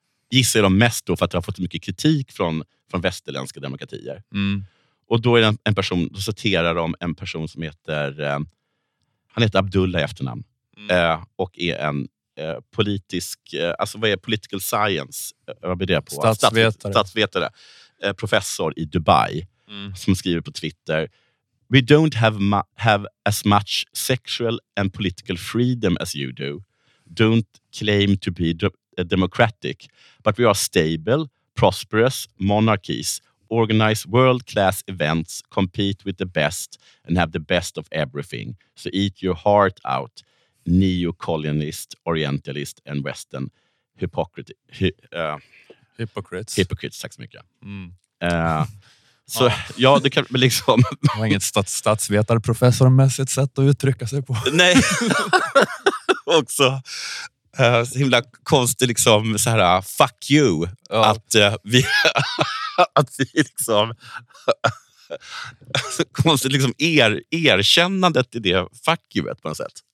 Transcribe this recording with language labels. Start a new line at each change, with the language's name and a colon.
Swedish: Gissar de mest då för att det har fått mycket kritik från västerländska demokratier. Mm. Och då är det en person, då citerar de en person som heter, han heter Abdullah i efternamn. Mm. Och är en politisk, alltså vad är
English: political science?
Swedish: Vad blir det på? Statsvetare. Professor i Dubai. Mm. Som skriver på Twitter:
English: "We don't have as much sexual and political freedom as you do. Don't claim to be democratic. But we are stable, prosperous monarchies. Organize world-class events, compete with the best, and have the best of everything. So eat your heart out, neo-colonist, orientalist, and western hypocrites. Hypocrites,
Swedish: tack så mycket. Mm. Så, ja, det kan liksom... Det var inget statsvetarprofessormässigt sätt att uttrycka sig på. Nej, också... så himla konstigt liksom så här fuck you, ja, att vi att vi liksom konstigt liksom erkännandet i det fuck you på något sätt.